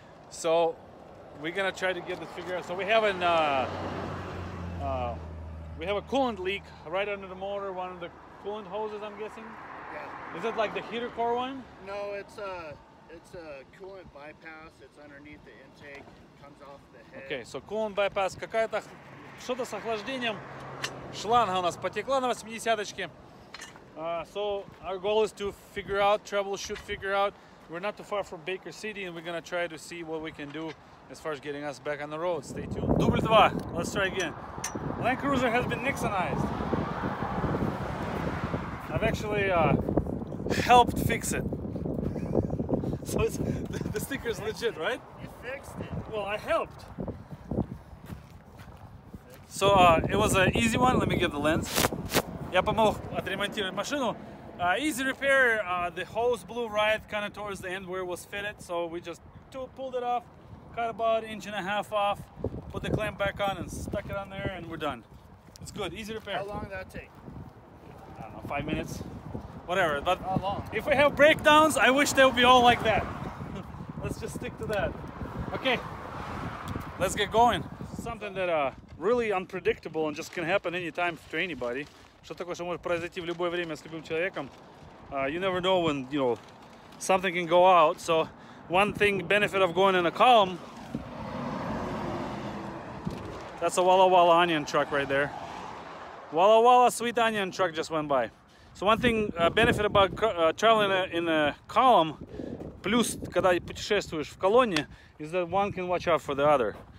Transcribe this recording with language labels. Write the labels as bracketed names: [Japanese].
[English] So we're gonna try to get this figured out. So we have a coolant leak right under the motor, one of the coolant hoses, I'm guessing. Is it like the heater core one? No, it's a coolant bypass. It's underneath the intake, comes off the head. Okay, so coolant bypass. [Russian] Какая-то что-то с охлаждением шланга у нас потекла на 80-ке. [English] So our goal is to figure out, troubleshoot, figure out. We're not too far from Baker City, and we're gonna try to see what we can do as far as getting us back on the road. Stay tuned. [Russian] Дубль два. [English] Let's try again. Land Cruiser has been Nixonized. I've actually helped fix it. So it's, the sticker's legit, right? You fixed it. Well, I helped. So it was an easy one. Let me get the lens. [Russian] Я помог отремонтировать машину. [English] Easy repair. The hose blew right kind of towards the end where it was fitted. So we just pulled it off, cut about an inch and a half off, put the clamp back on and stuck it on there, and we're done. It's good. Easy repair. How long did that take? 5 minutes, whatever. But how long? If we have breakdowns, I wish they would be all like that. Let's just stick to that. Okay, let's get going. Something that really unpredictable and just can happen anytime to anybody. [Russian] Что такое, что может произойти в любое время с любым человеком? [English] You never know when, you know, something can go out. So one thing, benefit of going in a column. That's a Walla Walla onion truck right there. Walla Walla sweet onion truck just went by. So one thing, benefit about traveling in a column, plus, [Russian] когда путешествуешь в колонне, [English] is that one can watch out for the other.